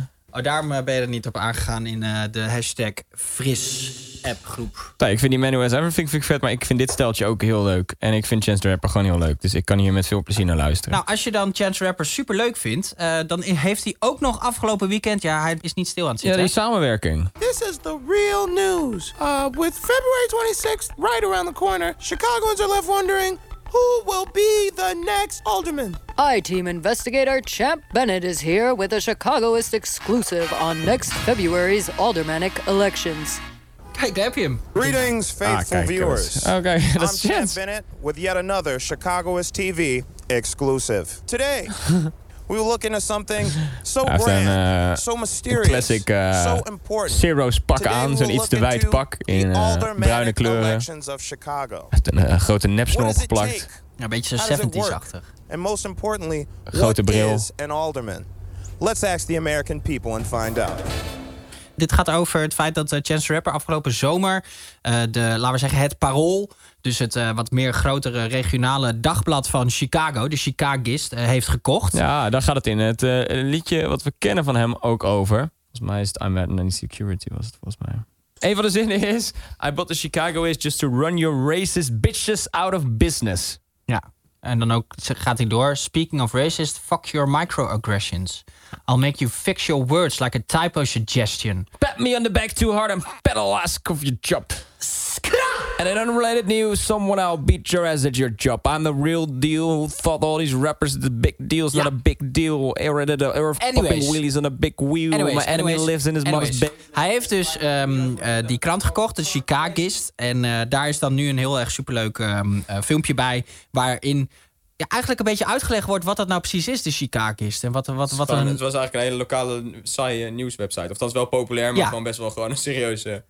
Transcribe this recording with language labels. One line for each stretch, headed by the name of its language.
Dutch: Oh, daarom ben je er niet op aangegaan in de hashtag Fris app groep. Nee, ik vind die Man Who Has Everything vind ik vet, maar ik vind dit steltje ook heel leuk. En ik vind Chance the Rapper gewoon heel leuk. Dus ik kan hier met veel plezier naar luisteren. Nou, als je dan Chance the Rapper super leuk vindt, dan heeft hij ook nog afgelopen weekend. Ja, hij is niet stil aan het zitten. Ja, die samenwerking.
English: This is the real news. With February 26th right around the corner, Chicagoans are left wondering. Who will be the next alderman? I-Team investigator Champ Bennett is here with a Chicagoist exclusive on next February's aldermanic elections.
Dutch: Kijk, daar heb je hem.
English: Greetings, faithful viewers. Okay, I'm Champ Bennett with yet another Chicagoist TV exclusive. Today, we will look into something so grand, so mysterious, classic, so important.
Dutch: Zero's pak today aan, zo'n iets te wijd pak in bruine kleuren. Hij heeft een grote nepsnor opgeplakt. Een beetje zo'n 70s-achtig.
English: And most importantly,
Dutch: grote bril.
English: Is an alderman? Let's ask the American people and find out.
Dutch: Dit gaat over het feit dat Chance the Rapper afgelopen zomer de, laten we zeggen, het Parool, dus het wat meer grotere regionale dagblad van Chicago, de Chicagist, heeft gekocht. Ja, daar gaat het in. Het liedje wat we kennen van hem ook over. Volgens mij is het I'm at an insecurity, was het volgens mij. Een van de zinnen is,
English: I bought the Chicagoist just to run your racist bitches out of business.
Dutch: Ja. En dan ook gaat hij door.
English: Speaking of racist, fuck your microaggressions. I'll make you fix your words like a typo suggestion. Pat me on the back too hard and pedal ask of your job. And in unrelated news, someone I'll beat your ass at your job. I'm the real deal. Who thought all these rappers the big deals not a big deal? Anyways, wheelies on a big wheel. Anyways, my enemy lives in his mother's bed.
Dutch: Hij heeft dus die krant gekocht, de Chicagist, en daar is dan nu een heel erg superleuk filmpje bij, waarin eigenlijk een beetje uitgelegd wordt wat dat nou precies is, de Chicagist. En wat een... Het was eigenlijk een hele lokale saaie nieuwswebsite. Of dat is wel populair, maar gewoon best wel gewoon een serieuze